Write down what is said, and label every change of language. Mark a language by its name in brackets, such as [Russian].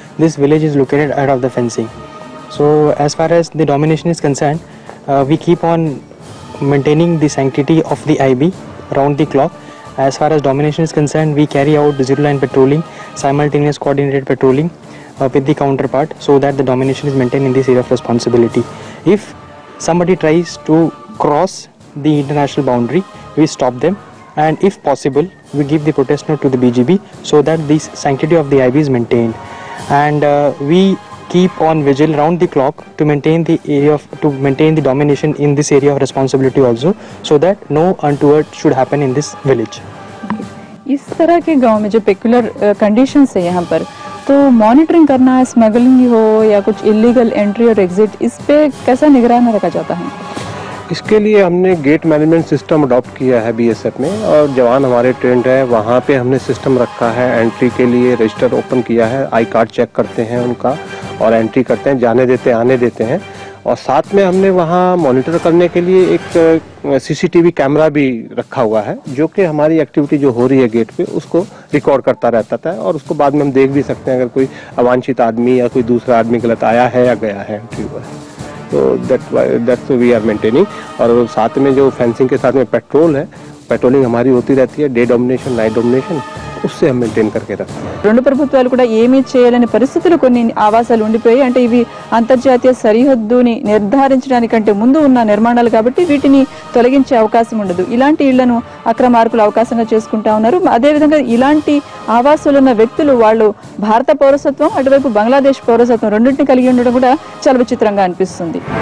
[English] This village is located out of the fencing, so as far as the domination is concern we keep on maintaining the sanctity of the IB round the clock. As far as domination is concern we carry out zero line patrolling simultaneous coordinated patrolling with the counterpart, so that the domination is maintained in this area of responsibility. If somebody tries to cross the international boundary, we stop them, and if possible we give the protest note to the BGB so that this sanctity of the IB is maintained. And we keep on vigil round the clock to maintain the area of domination in this area of responsibility also, so that no untoward should happen in this village. [Hindi] इस तरह के गांव में जो peculiar conditions है यहां पर, तो मॉनिटरिंग करना है, स्मगलिंग हो या कुछ इलीगल एंट्री और एग्जिट, इस पे कैसा निगरानी रखा जाता है? इसके लिए हमने गेट मैनेजमेंट सिस्टम अडॉप्ट किया है बीएसएफ में, और जवान हमारे ट्रेंड है वहाँ पे हमने सिस्टम रखा है, एंट्री के लिए रजिस्टर ओपन किया है, आई कार्ड चेक करते हैं उनका और एंट्री करते हैं, जाने देते आने देते हैं, और साथ में हमने वहाँ मॉनिटर करने के लिए एक सीसीटीवी कैमरा भी रखा हुआ है जो कि हमारी एक्टिविटी जो हो रही है गेट पे उसको रिकॉर्ड करता रहता था, और उसको बाद में हम देख भी सकते हैं अगर कोई अवांछित आदमी या कोई दूसरा आदमी गलत आया है या गया है एंट्री पर, तो [English] That's we are maintaining. [Hindi] और साथ में जो फेंसिंग के साथ में पेट्रोल है, पेट्रोलिंग हमारी होती रहती है, डे डोमिनेशन नाइट डोमिनेशन, उससे हम मेंटेन करके रखते हैं। [Telugu] రెండు ప్రభుత్వాలు కూడా ఏమీ చేయలేని పరిస్థితులు కొన్ని ఆవాసాలు ఉండిపోయి, అంటే ఇవి అంతర్జాతీయ సరిహద్దుని నిర్ధారించడానికంటే ముందు ఉన్న నిర్మాణాలు కాబట్టి వీటిని తొలగించే అవకాశం ఉండదు, ఇలాంటి ఇళ్లను అక్రమార్కులు అవకాశంగా చేసుకుంటా ఉన్నారు. అదేవిధంగా ఇలాంటి ఆవాసాలు ఉన్న వ్యక్తులు వాళ్ళు భారత పౌరసత్వం అటువైపు బంగ్లాదేశ్ పౌరసత్వం రెండింటిని కలిగి ఉండడం కూడా చాలా విచిత్రంగా అనిపిస్తుంది.